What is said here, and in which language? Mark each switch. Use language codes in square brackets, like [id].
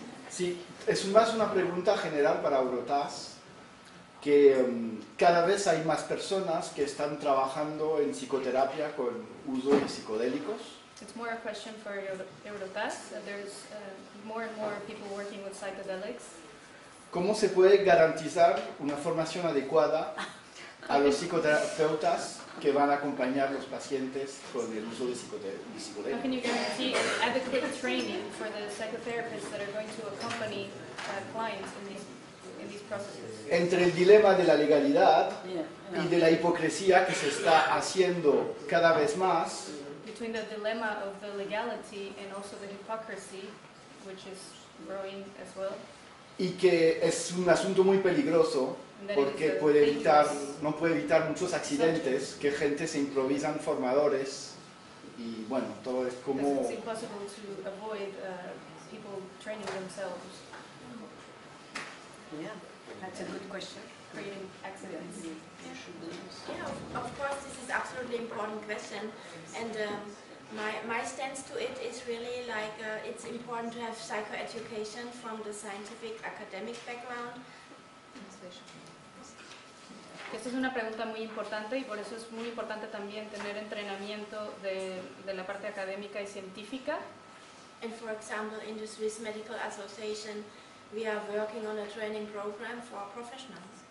[es] Sí, es más una pregunta general para Eurotas, que cada vez hay más personas que están trabajando en psicoterapia con uso de psicodélicos. [en] It's more a question for Eurotas. There's more and more people working with psychedelics. [es] ¿Cómo se puede garantizar una formación adecuada a los psicoterapeutas que van a acompañar los pacientes con el uso de psicodélicos. [en] How can you guarantee adequate training for the psychotherapists that are going to accompany clients in these processes? [es] Entre el dilema de la legalidad y de la hipocresía que se está haciendo cada vez más. [en] Between the dilemma of the legality and also the hypocrisy, which is growing as well. [es] Y que es un asunto muy peligroso porque no puede evitar muchos accidentes, que gente se improvisan formadores y bueno, todo es como... [en] It's impossible to avoid people training themselves. Yeah, that's a good question. Creating accidents. Yeah, of course, this is absolutely important question. And my stance to it is really like it's important to have psychoeducation from the scientific academic background. [es] Esta es una pregunta muy importante y por eso es muy importante también tener entrenamiento de la parte académica y científica. [en] And for example, in the Swiss Medical Association, we are working on a training program for professionals.